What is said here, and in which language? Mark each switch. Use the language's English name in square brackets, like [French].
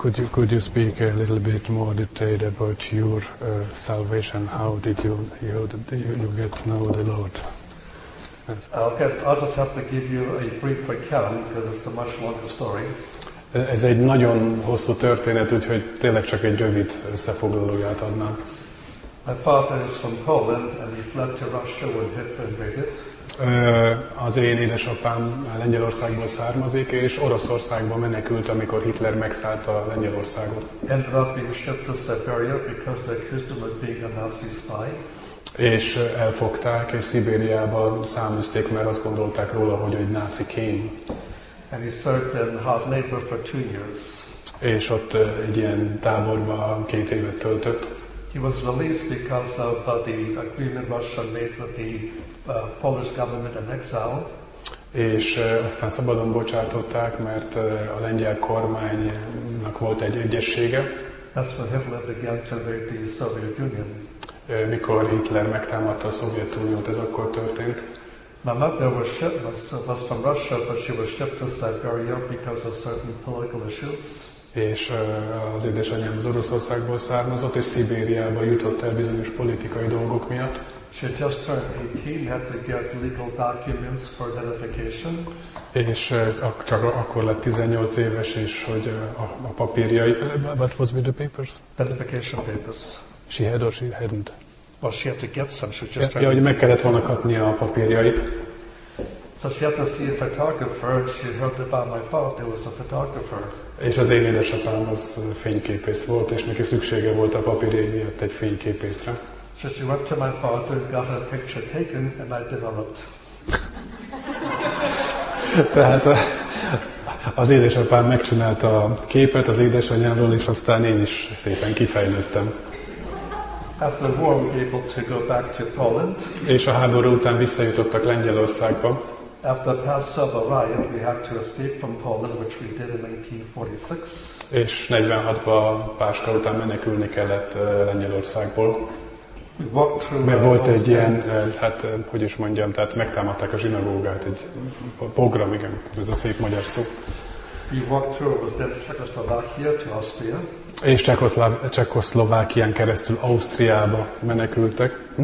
[English] Could you speak a little bit more detailed about your salvation? How did you get to know the Lord? I'll just have to give you a brief account because it's a much longer story. [Hungarian] Ez egy nagyon hosszú történet, úgyhogy tényleg csak egy rövid összefoglalóját adnám. [English] My father is from Poland and he fled to Russia when Hitler invaded it. [Hungarian] Az én édesapám Lengyelországból származik és Oroszországba menekült, amikor Hitler megszállta Lengyelországot. [English] Ended up being shipped to Siberia because they accused him of being a Nazi spy. [Hungarian] És elfogták, és Szibériában száműzték, mert azt gondolták róla, hogy egy náci kém. [English] And he served in hard labor for 2 years. [Hungarian] És ott egy ilyen táborban 2 évet töltött. [English] He was released because of the agreement Russia made with the Polish government in exile. [Hungarian] És aztán szabadon bocsátották, mert a lengyel kormánynak volt egy egyessége. [English] That's when Hitler began to invade the Soviet Union. [Hungarian] Mikor Hitler megtámadta a Szovjetuniót, ez akkor történt. [English] My mother was shipped from Russia, but she was shipped to Siberia because of certain political issues. [Hungarian] És az édesanyám az Oroszországból származott, és Szibériába jutott el bizonyos politikai dolgok miatt. [English] She just turned 18, had to get legal documents for identification. [Hungarian] És csak akkor lett 18 éves, és hogy a papírjai... [English] What was with the papers? Identification papers. She had or she hadn't. Well, she had to get some. She just. [Hungarian] Yeah, hogy meg kellett volna kapni a papírjait. [English] So she had to see a photographer. She heard about my father was a photographer. [Hungarian] És az én édesapám az fényképész volt, és neki szüksége volt a papírjai miatt egy fényképészre. [English] So she went to my father, got her picture taken, and I developed. [Hungarian] Tehát az édesapám megcsinálta a képet az édesanyámról, és aztán én is szépen kifejlődtem. [English] After the war, we were able to go back to Poland. [Hungarian] És a háború után visszajutottak Lengyelországba. [English] After Passover riot, we had to escape from Poland, which we did in 1946. [Hungarian] És 46-ban Páska után menekülni kellett Lengyelországból. [English] We walked through. [Hungarian] Mert volt egy ilyen, hát hogy is mondjam, tehát megtámadták a zsinagógát, egy pogrom, igen, ez a szép magyar szó. [English] We walked through, it was then Czechoslovakia to Austria. [Hungarian] És Csehszlovákián keresztül Ausztriába menekültek.